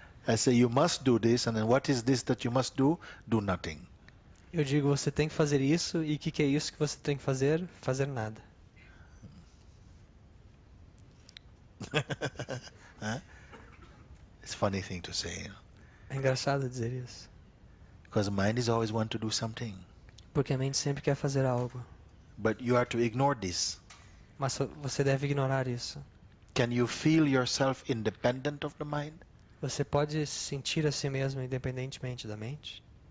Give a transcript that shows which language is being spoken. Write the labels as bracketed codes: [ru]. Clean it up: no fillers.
[en] I say you must do this, and then what is this that you must do? Do nothing. [pt] Eu digo, você tem que fazer isso, e que é isso que você tem que fazer? Fazer nada. [en] Huh? It's a funny thing to say. You know? [pt] É engraçado dizer isso. [en] Because mind is always want to do something. [pt] Porque a mente sempre quer fazer algo. [en] But you are to ignore this. [pt] Mas você deve ignorar isso. [en] Can you feel yourself independent of the mind? [pt] Você pode sentir a si mesmo independentemente da mente?